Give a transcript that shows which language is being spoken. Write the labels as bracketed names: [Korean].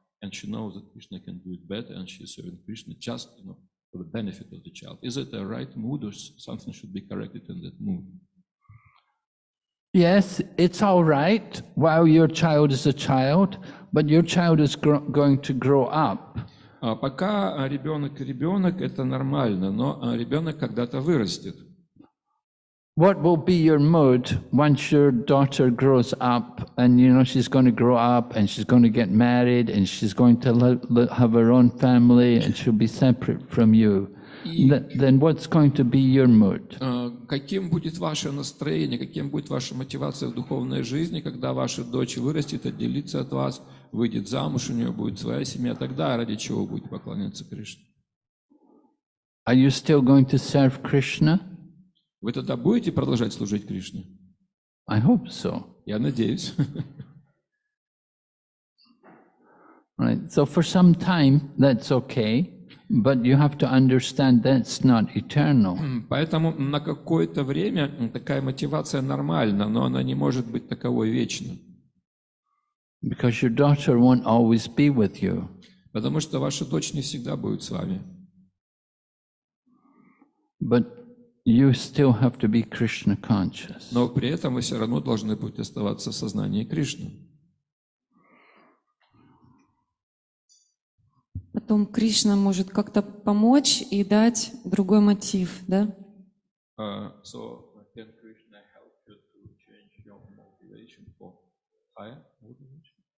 [English] And she knows that Krishna can do it better, and she's serving Krishna just, you know, for the benefit of the child. Is it a right mood, or something should be corrected in that mood? Yes, it's all right while your child is a child, but your child is going to grow up. [Russian] Пока ребенок ребенок, это нормально, но ребенок когда-то вырастет. [English] What will be your mood once your daughter grows up, and you know she's going to grow up, and she's going to get married, and she's going to have her own family, and she'll be separate from you? Then what's going to be your mood? [Russian] Каким будет ваше настроение, каким будет ваша мотивация в духовной жизни, когда ваша дочь вырастет, отделится от вас, выйдет замуж, у нее будет своя семья, тогда ради чего будете поклоняться Кришне? [English] Are you still going to serve Krishna? [Russian] Вы тогда будете продолжать служить Кришне? [English] I hope so. [Russian] Я надеюсь. [English] Right. So for some time that's okay, but you have to understand that's not eternal. [Russian] Поэтому на какое-то время такая мотивация нормальна, но она не может быть таковой вечно. [English] Because your daughter won't always be with you. [Russian] Потому что ваша дочь не всегда будет с вами. [English] But you still have to be Krishna conscious. [Russian] Но при этом вы все равно должны будете оставаться в сознании Кришны. Потом Кришна может как-то помочь и дать другой мотив, да? [English] So can Krishna help you to change your motivation for higher motivation?